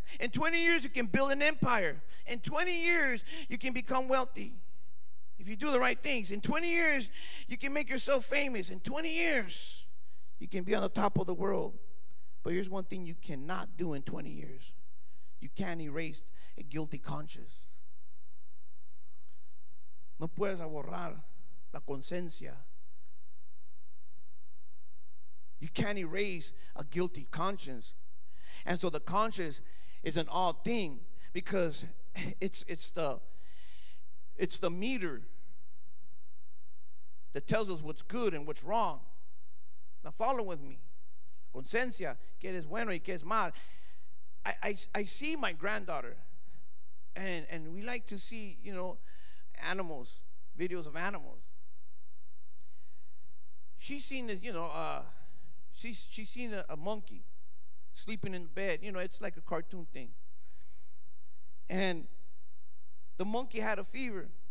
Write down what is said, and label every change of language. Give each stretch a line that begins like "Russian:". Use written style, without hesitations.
English: In 20 years you can build an empire. In 20 years you can become wealthy. If you do the right things, in 20 years, you can make yourself famous. In 20 years, you can be on the top of the world. But here's one thing you cannot do in 20 years. You can't erase a guilty conscience.
Spanish: No puedes borrar la conciencia.
English: You can't erase a guilty conscience. And so the conscience is an odd thing, because it's the meter that tells us what's good and what's wrong. Now follow with me.
Spanish: Conciencia, que es bueno y que es mal.
English: I see my granddaughter, and we like to see, you know, animals, videos of animals. She's seen this, you know, she's seen a monkey sleeping in bed. You know, it's like a cartoon thing. And the monkey had a fever.